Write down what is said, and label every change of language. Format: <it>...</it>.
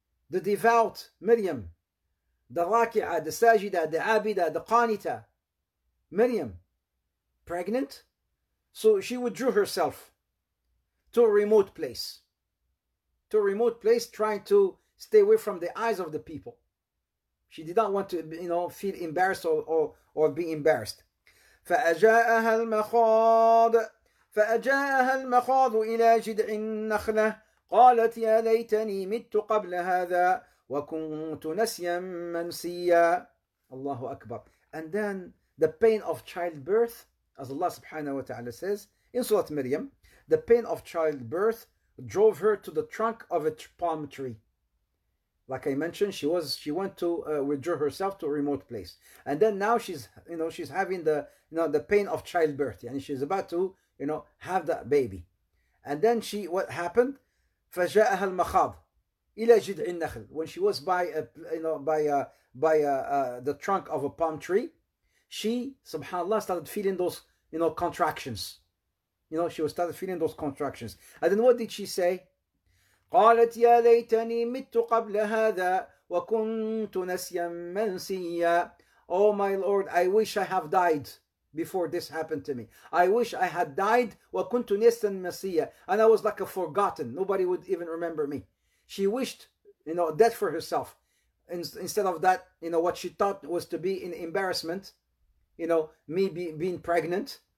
<en>The devout Maryam, the Raki'ah, the Sajida, the Abida, the Qanita, Maryam, pregnant. So she withdrew herself to a remote place. To a remote place, trying to stay away from the eyes of the people. She did not want to, you know, feel embarrassed or be embarrassed.</en> <ar>فأجاءها المخاض فأجاءها المخاض إلى جذع النخلة قالت يا ليتني مت قبل هذا وكنت نسيا منسيا. الله أكبر.</ar> <en>And then the pain of childbirth, as Allah subhanahu wa ta'ala says in Surah Maryam, the pain of childbirth drove her to the trunk of a palm tree. Like I mentioned, she went to withdraw herself to a remote place. And then now she's, you know, she's having the, you know, the pain of childbirth. And she's about to, you know, have that baby. And then she, what happened?</en> <ar>فَجَاءَهَا الْمَخَاضِ إِلَى جِدْعِ النَّخْلِ.</ar> <en>When she was by, a, you know, by the trunk of a palm tree, she, subhanAllah, started feeling those, you know, contractions. You know, she was started feeling those contractions. And then what did she say?</en> <ar>قالت يا ليتني مت قبل هذا وكنت نسيا منسيا.</ar> <en>Oh my Lord, I wish I have died before this happened to me. I wish I had died</en> <ar>وكنت نسيا منسيا.</ar> <en>And I was like a forgotten. Nobody would even remember me. She wished, you know, death for herself. Instead of that, you know, what she thought was to be in embarrassment, you know, me being pregnant.</en>